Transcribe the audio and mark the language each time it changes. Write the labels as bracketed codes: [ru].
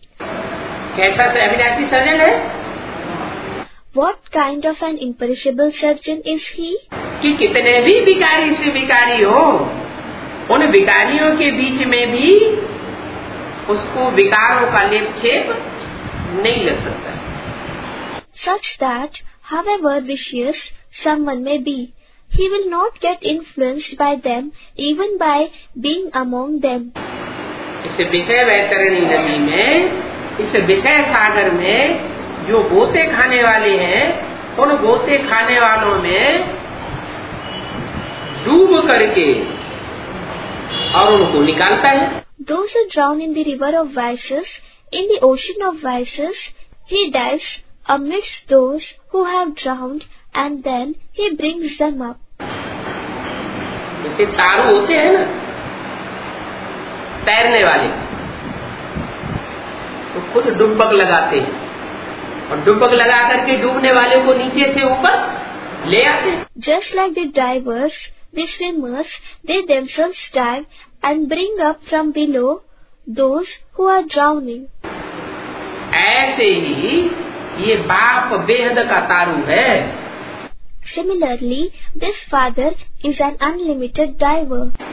[hi] कैसा से अविनाशी सर्जन है? [en] What kind of an imperishable surgeon is he? [hi] कि कितने भी विकारी से विकारी हो, उन विकारियों के बीच में भी उसको विकारों का लेप छेप नहीं लग सकता. [en] Such that, however vicious someone may be, he will not get influenced by them even by being among them. [hi] इस विषय वैतरणी नदी में, इस विषय सागर में जो गोते खाने वाले हैं, उन गोते खाने वालों में डूब करके और उनको निकालता है. [en] Those who drown in the river of vices, in the ocean of vices, he dives amidst those who have drowned and then he brings them up. [hi] जैसे तारू होते हैं ना, तैरने वाले, तो खुद डुबक लगाते हैं और डुबक लगा करके डूबने वाले को नीचे से ऊपर ले आते. [en] Just like the divers, the swimmers, they themselves dive and bring up from below those who are drowning. [hi] ऐसे ही ये बाप बेहद का तारू है. [en] Similarly, this father is an unlimited diver.